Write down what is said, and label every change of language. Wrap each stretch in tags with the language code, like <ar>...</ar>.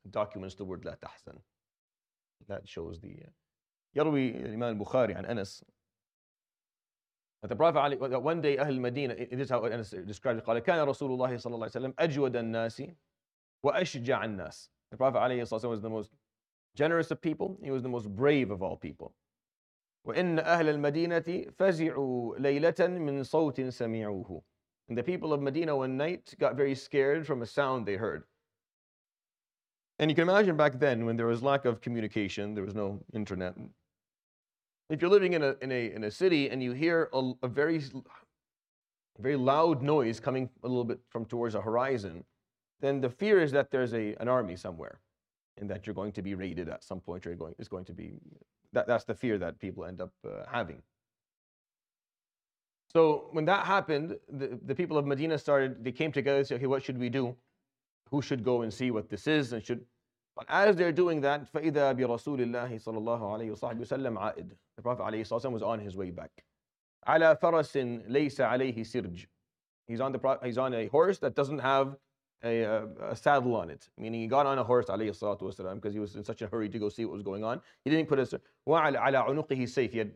<en>It documents the word la tahzan. That shows the yarwi Imam Bukhari an Anas. But the Prophet Ali, that one day Ahl Medina, this is how Anas described it,</en> <ar>كان رسول الله صلى الله عليه وسلم أجود الناس وأشجع الناس.</ar> <en>The Prophet Ali was the most generous of people. He was the most brave of all people.</en> <ar>وإن أهل المدينة فزعوا ليلة من صوت سمعوه.</ar> <en>And the people of Medina one night got very scared from a sound they heard. And you can imagine back then when there was lack of communication, there was no internet. If you're living in a city and you hear a very, very loud noise coming a little bit from towards the horizon, then the fear is that there's an army somewhere and that you're going to be raided at some point. That's the fear that people end up having. So when that happened, the people of Medina they came together and said, okay, what should we do? Who should go and see what this is? But as they're doing that,</en> <ar>فَإِذَا بِرَسُولِ اللَّهِ صَلَى اللَّهُ عَلَيْهِ وَصَحْبِهِ وَسَلَّمْ عَائِدْ.</ar> <en>The Prophet ﷺ was on his way back.</en> <ar>عَلَى فَرَسٍ لَيْسَ عَلَيْهِ سِرْجٍ.</ar> <en>He's on a horse that doesn't have a saddle on it. Meaning he got on a horse, عليه الصلاة والسلام, because he was in such a hurry to go see what was going on. He didn't put a sword.</en> <ar>عَلَى عُنُقِهِ سَيْفٍ.</ar>